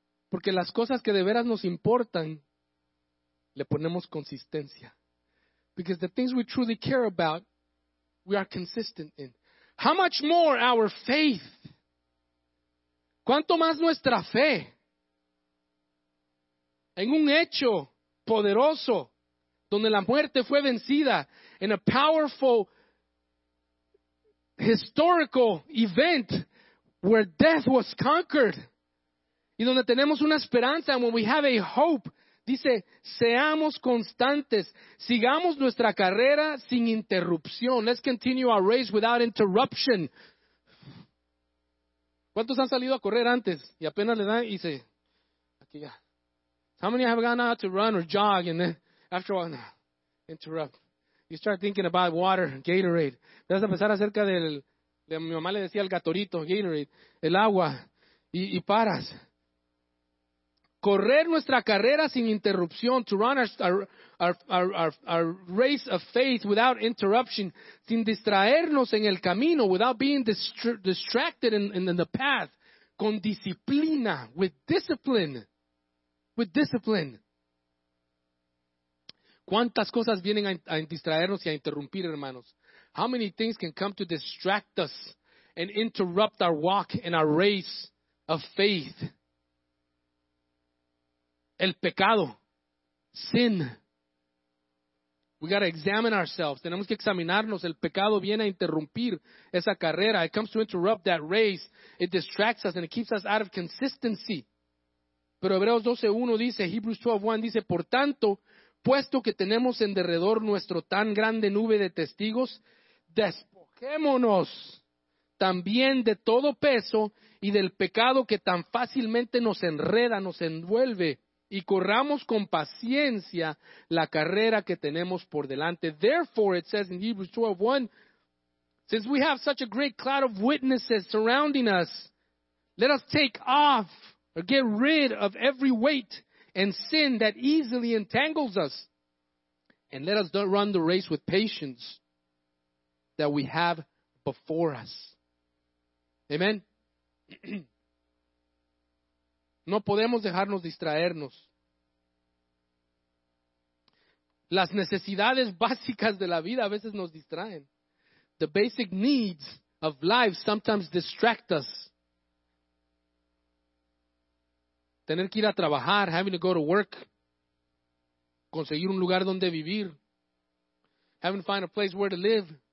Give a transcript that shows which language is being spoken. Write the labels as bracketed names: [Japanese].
[Spanish] Porque las cosas que de veras nos importan, le ponemos consistencia. [English] Because the things we truly care about, we are consistent in. How much more our faith? [Spanish] ¿Cuánto más nuestra fe? En un hecho poderoso. Donde la muerte fue vencida, [English] in a powerful historical event where death was conquered. [Spanish] Y donde tenemos una esperanza, [English] and when we have a hope, [Spanish] Dice, seamos constantes, sigamos nuestra carrera sin interrupción. [English] Let's continue our race without interruption. [Spanish] ¿Cuántos han salido a correr antes y apenas le dan y se... aquí ya. [English] How many have gone out to run or jog and then after a while, no, interrupt. You start thinking about water, Gatorade. [Spanish] Vas a pensar acerca del... mi mamá le decía el gatorito, Gatorade, el agua, y paras. Correr nuestra carrera sin interrupción, [English] to run our race of faith without interruption, [Spanish] sin distraernos en el camino, [English] without being distracted in the path, [Spanish] con disciplina, [English] with discipline, with discipline. [Spanish] ¿Cuántas cosas vienen a distraernos y a interrumpir, hermanos? [English] How many things can come to distract us and interrupt our walk and our race of faith? [Spanish] El pecado, sin. [English] We got to examine ourselves. [Spanish] Tenemos que examinarnos. El pecado viene a interrumpir esa carrera. [English] It comes to interrupt that race. It distracts us and it keeps us out of consistency. [Spanish] Pero Hebreos 12:1 dice, Hebrews 12:1 dice, por tanto, puesto que tenemos en derredor nuestro tan grande nube de testigos, despojémonos también de todo peso y del pecado que tan fácilmente nos enreda, nos envuelve. Y corramos con paciencia la carrera que tenemos por delante. [English] Therefore, it says in Hebrews 12:1, since we have such a great cloud of witnesses surrounding us, let us take off or get rid of every weight and sin that easily entangles us. And let us run the race with patience that we have before us. Amen. [Spanish] No podemos dejarnos distraernos. Las necesidades básicas de la vida a veces nos distraen. [English] The basic needs of life sometimes distract us. [Spanish] Tener que ir a trabajar, [English] having to go to work. [Spanish] Conseguir un lugar donde vivir. [English] Having to find a place where to live.